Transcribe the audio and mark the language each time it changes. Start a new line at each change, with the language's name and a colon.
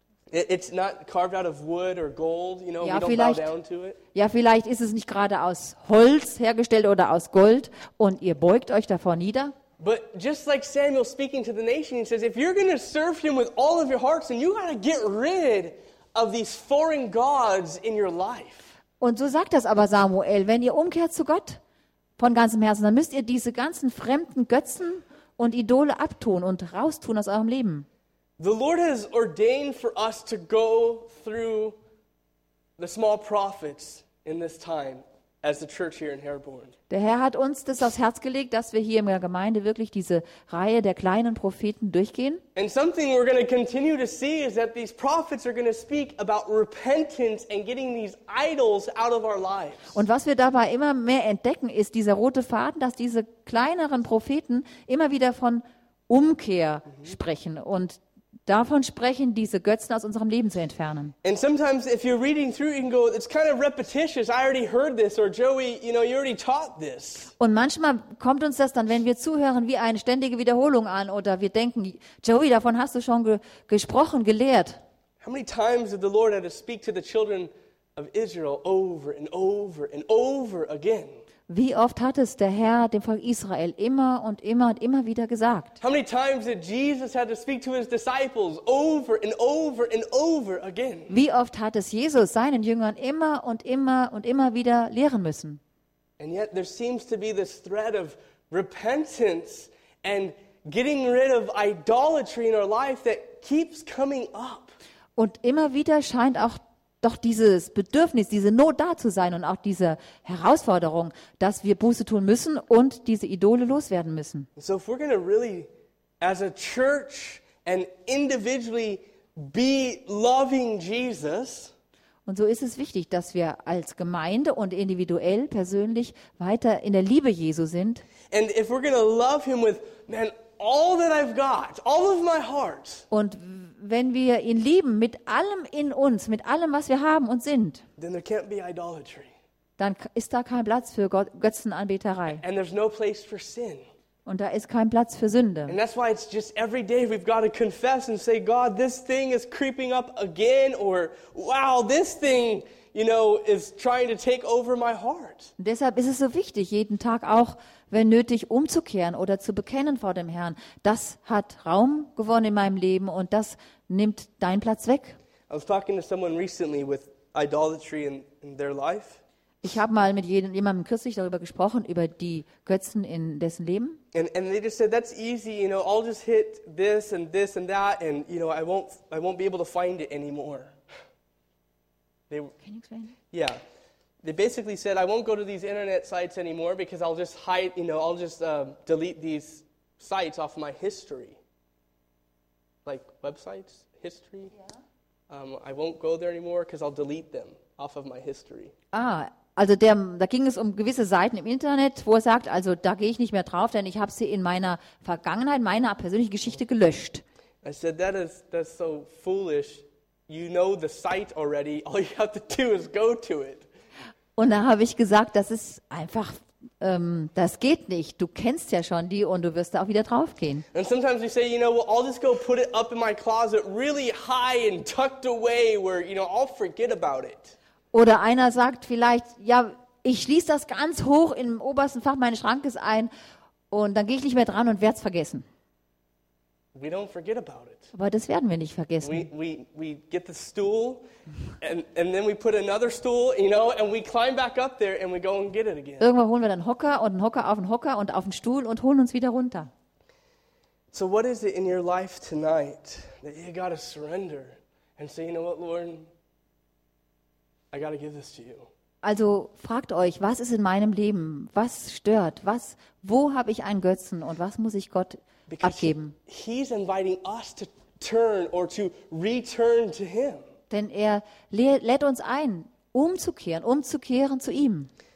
English: It's not carved out of wood or gold, you know,
German: ja,
English: we don't
German: vielleicht,
English: bow down to it.
German: Ja, vielleicht ist es nicht gerade aus Holz hergestellt oder aus Gold und ihr beugt euch davor nieder.
English: But just like Samuel speaking to the nation, he says, if you're going to serve him with all of your hearts, then you got to get rid of these foreign gods in your life.
German: Und so sagt das aber Samuel, wenn ihr umkehrt zu Gott von ganzem Herzen, dann müsst ihr diese ganzen fremden Götzen und Idole abtun und raustun aus eurem Leben.
English: The Lord has ordained for us to go through the small prophets in this time as the church here in Herborn.
German: Der Herr hat uns das aufs Herz gelegt, dass wir hier in der Gemeinde wirklich diese Reihe der kleinen Propheten durchgehen.
English: And something we're going to continue to see is that these prophets are going to speak about repentance and getting these idols out of our lives.
German: Und was wir dabei immer mehr entdecken, ist dieser rote Faden, dass diese kleineren Propheten immer wieder von Umkehr sprechen und davon sprechen, diese Götzen aus unserem Leben zu entfernen.
English: And sometimes if you're reading through, you can go, it's kind of repetitious. I already heard this, or Joey, you know, you already taught this.
German: Und manchmal kommt uns das dann, wenn wir zuhören, wie eine ständige Wiederholung an, oder wir denken, Joey, davon hast du schon gesprochen, gelehrt.
English: How many times did the Lord have to speak to the children of Israel over and over and over again?
German: Wie oft hat es der Herr dem Volk Israel immer und immer und immer wieder gesagt?
English: How many times did Jesus have to speak to his disciples over and over and over again?
German: Wie oft hat es Jesus seinen Jüngern immer und immer und immer wieder lehren müssen?
English: And yet there seems to be this thread of repentance and getting rid of idolatry in our life that keeps coming up.
German: Und immer wieder scheint auch doch dieses Bedürfnis, diese Not da zu sein und auch diese Herausforderung, dass wir Buße tun müssen und diese Idole loswerden müssen.
English: So if we're going to really, as a church and individually, be loving Jesus.
German: Und so ist es wichtig, dass wir als Gemeinde und individuell, persönlich, weiter in der Liebe Jesu sind.
English: And if we're going to love him with, man, all that I've got, all of my heart.
German: Und wenn wir ihn lieben, mit allem in uns, mit allem, was wir haben und sind,
English: then there can't be idolatry.
German: Dann ist da kein Platz für Götzenanbeterei.
English: And there's no place for sin.
German: Und da ist kein Platz für Sünde.
English: And that's why it's just every day we've got to confess and say, God, this thing is creeping up again, or wow, this thing, you know, is trying to take over my heart.
German: Deshalb ist es so wichtig, jeden Tag auch, wenn nötig, umzukehren oder zu bekennen vor dem Herrn. Das hat Raum gewonnen in meinem Leben und das nimmt deinen Platz weg.
English: I was talking to someone recently with idolatry in their life.
German: Ich habe mal mit jemandem kürzlich darüber gesprochen, über die Götzen in dessen Leben.
English: And they just said, that's easy, you know, I'll just hit this and this and that and, you know, I won't be able to find it anymore. Can you explain? Yeah. They basically said, I won't go to these internet sites anymore because I'll just hide, you know, I'll just delete these sites off my history. Like websites, history. Yeah. I won't go there anymore because I'll delete them off of my history.
German: Ah, also da ging es um gewisse Seiten im Internet, wo er sagt, also da gehe ich nicht mehr drauf, denn ich habe sie in meiner Vergangenheit, meiner persönlichen Geschichte gelöscht.
English: I said, that's so foolish. You know the site already. All you have to do is go to it.
German: Und da habe ich gesagt, das ist einfach Das geht nicht. Du kennst ja schon die und du wirst da auch wieder drauf gehen.
English: And sometimes we say, you know, well, I'll just go put it up in my closet really high and tucked away where, you know, I'll forget about it.
German: Oder einer sagt vielleicht, ja, ich schließe das ganz hoch im obersten Fach meines Schrankes ein und dann gehe ich nicht mehr dran und werde es vergessen.
English: We don't forget about it.
German: Aber das werden wir nicht vergessen.
English: We get the stool and then we put another stool, you know, and we climb back up there and we go and get it again.
German: Irgendwann holen wir dann Hocker und einen Hocker auf den Hocker und auf den Stuhl und holen uns wieder runter.
English: So what is it in your life tonight that you got to surrender and say, you know what, Lord, I got to give this to you.
German: Also fragt euch, was ist in meinem Leben? Was stört? Was? Wo habe ich einen Götzen und was muss ich Gott abgeben?
English: He's inviting us to turn or to return to him.
German: Denn er lädt uns ein, umzukehren zu ihm.